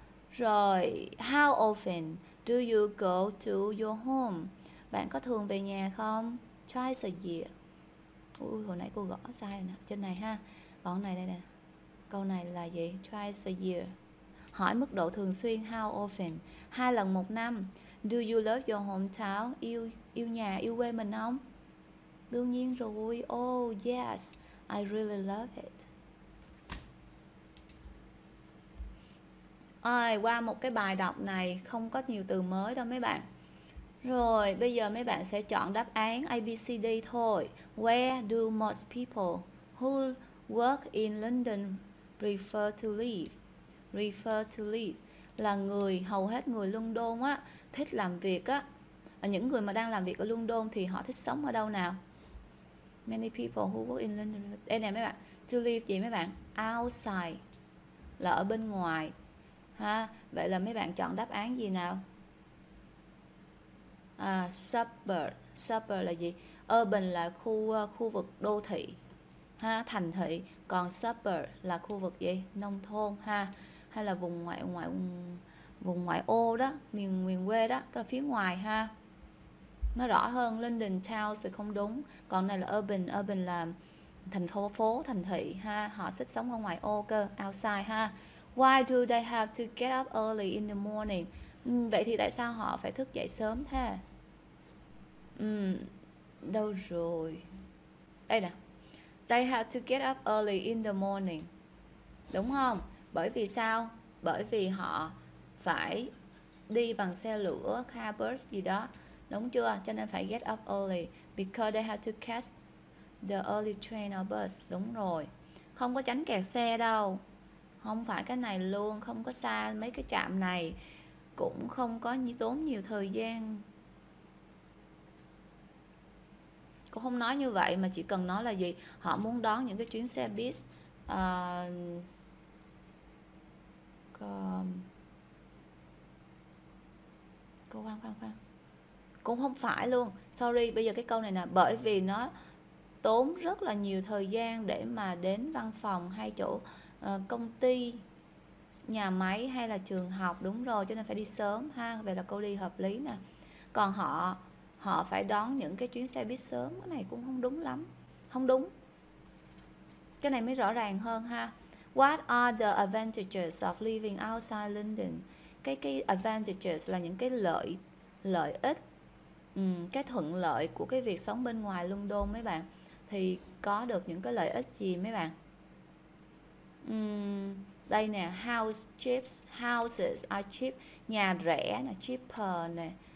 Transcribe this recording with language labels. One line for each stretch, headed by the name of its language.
English: Rồi, how often do you go to your home?
Vietnamese: Bạn có thường về nhà không?
English: Twice a year.
Vietnamese: Ui, hồi nãy cô gõ sai rồi nè. Trên này ha. Còn này đây nè. Câu này là gì?
English: Twice a year.
Vietnamese: Hỏi mức độ thường xuyên.
English: How often?
Vietnamese: 2 lần một năm.
English: Do you love your hometown?
Vietnamese: Yêu yêu nhà, yêu quê mình không? Đương nhiên rồi.
English: Oh, yes. I really love it.
Vietnamese: Ai qua một cái bài đọc này không có nhiều từ mới đâu mấy bạn. Rồi, bây giờ mấy bạn sẽ chọn đáp án A, B, C, D thôi.
English: Where do most people who work in London prefer to live?
Vietnamese: Prefer to live là người, hầu hết người London á, thích làm việc á. Những người mà đang làm việc ở London thì họ thích sống ở đâu nào?
English: Many people who work in London.
Vietnamese: Đây nè mấy bạn, to live gì mấy bạn? Outside là ở bên ngoài. Ha, vậy là mấy bạn chọn đáp án gì nào? Suburb là gì? Urban là khu vực đô thị ha, thành thị, còn suburb là khu vực gì? Nông thôn ha, hay là vùng ngoại ngoại vùng ngoại ô đó, miền miền quê đó, cái phía ngoài ha. Nó rõ hơn London town thì không đúng, còn này là urban, urban là thành phố phố thành thị ha, họ thích sống ở ngoài ô cơ, outside ha.
English: Why do they have to get up early in the morning?
Vietnamese: Vậy thì tại sao họ phải thức dậy sớm thế? Đâu rồi? Đây nè.
English: They have to get up early in the morning.
Vietnamese: Đúng không? Bởi vì sao? Bởi vì họ phải đi bằng xe lửa, car bus gì đó. Đúng chưa? Cho nên phải
English: get up early. Because they have to catch the early train or bus.
Vietnamese: Đúng rồi. Không có tránh kẹt xe đâu. Không phải cái này luôn, không có xa mấy cái trạm này, cũng không có như tốn nhiều thời gian. Cô không nói như vậy mà chỉ cần nói là gì, họ muốn đón những cái chuyến xe bus cô khoan khoan khoan, cũng không phải luôn, sorry. Bây giờ cái câu này nè, bởi vì nó tốn rất là nhiều thời gian để mà đến văn phòng hay chỗ công ty, nhà máy hay là trường học, đúng rồi, cho nên phải đi sớm ha. Vậy là câu đi hợp lý nè. Còn họ họ phải đón những cái chuyến xe buýt sớm. Cái này cũng không đúng lắm, không đúng. Cái này mới rõ ràng hơn ha. What are the advantages of living outside London? Cái advantages là những cái lợi ích, cái thuận lợi của cái việc sống bên ngoài London mấy bạn. Thì có được những cái lợi ích gì mấy bạn? Đây nè,
English: houses are cheap,
Vietnamese: nhà rẻ nè, cheaper nè.